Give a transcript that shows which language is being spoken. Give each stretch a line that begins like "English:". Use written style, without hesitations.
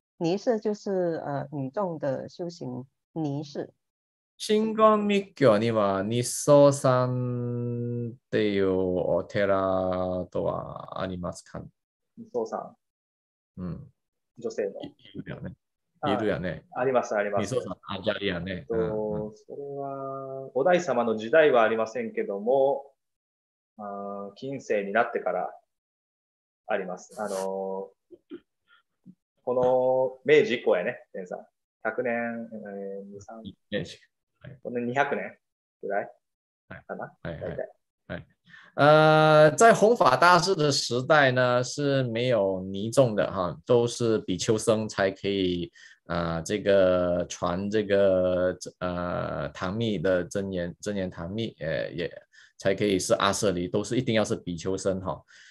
Chinese: 尼寺就是女众的修行尼寺。
Japanese: 新光密教には、尼僧さんっていうお寺とはありますか？尼僧さん、女性の。いるよね。ありますあります。尼僧さん、あじゃりやね。それは、お大師様の時代はありませんけども、近世になってからあります。この明治以降やね、天さん。100年、2、3、この200年ぐらいかな、大体。
Chinese: 在弘法大师的时代呢，是没有尼众的哈，都是比丘僧才可以这个传这个唐密的真言唐密，也才可以是阿舍离，都是一定要是比丘僧哈。